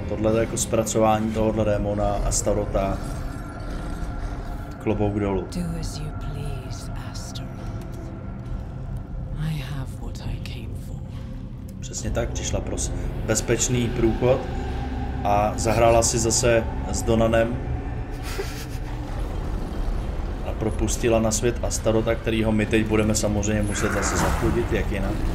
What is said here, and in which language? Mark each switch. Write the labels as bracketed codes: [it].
[cs] Tohle je jako zpracování tohohle démona a Astarota. Klobouk dolů. [en] Do as you please, Astaroth. I have what I came for. [cs] Přesně tak, přišla pro bezpečný průchod a zahrála si zase s Donanem a propustila na svět Astarota, kterýho my teď budeme samozřejmě muset zase zachudit, jak jinak.